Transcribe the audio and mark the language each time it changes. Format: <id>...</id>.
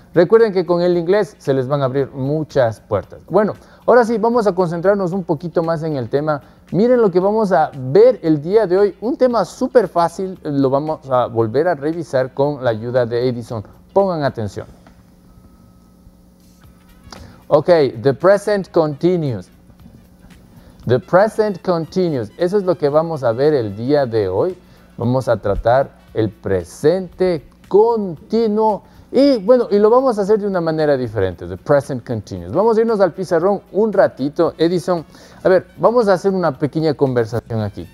<es>Recuerden que con el inglés se les van a abrir muchas puertas. Bueno, ahora sí, vamos a concentrarnos un poquito más en el tema. Miren lo que vamos a ver el día de hoy. Un tema súper fácil, lo vamos a volver a revisar con la ayuda de Edison. Pongan atención.</es> <en>Ok, the present continuous. The present continuous.</en> <es>Eso es lo que vamos a ver el día de hoy. Vamos a tratar el presente continuo. Y bueno, y lo vamos a hacer de una manera diferente,</es> <en>the present continuous.</en> <es>Vamos a irnos al pizarrón un ratito. Edison, a ver, vamos a hacer una pequeña conversación aquí.</es>